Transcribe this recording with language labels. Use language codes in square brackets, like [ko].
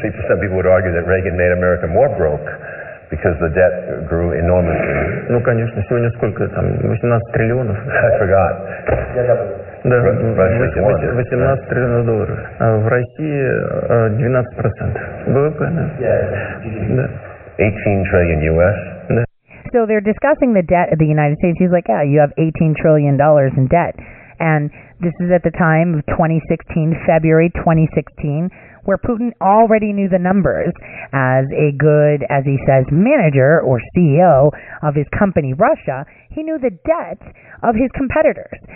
[en] Some people would argue that Reagan made America more broke because the debt grew enormously. [ru] Ну, конечно, сегодня сколько там, 18 триллионов? [en] I forgot. [ru] Да, 18 триллионов долларов. В России 12% ВВП, да? [en] Да. 18 trillion US? [ru] Да. [en] So they're discussing the debt of the United States. He's like, yeah, you have $18 trillion in debt. And this is at the time of 2016, February 2016, where Putin already knew the numbers. As a good, as he says, manager or CEO of his company, Russia, he knew the debt of his competitors.